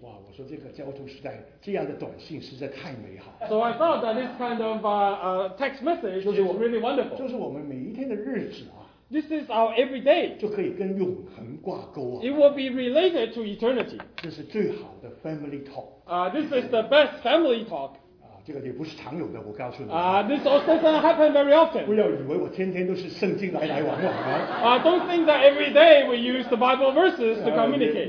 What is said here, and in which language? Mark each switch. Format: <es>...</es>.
<zh>哇，我说这个交通时代这样的短信实在太美好。</zh> <en>So I thought that this kind of text message is really wonderful.</en> <zh>就是我们每一天的日子啊。</zh> <en>This is our everyday.</en> <zh>就可以跟永恒挂钩啊。</zh> <en>It will be related to eternity.</en> <zh>这是最好的</zh> <en>family talk. This is the best family talk.</en> <zh>这个也不是常有的，我告诉你。</zh> <en>This also doesn't happen very often.</en> <zh>不要以为我天天都是圣经来来往往啊。</zh> <en>Don't think that every day we use the Bible verses to communicate.</en>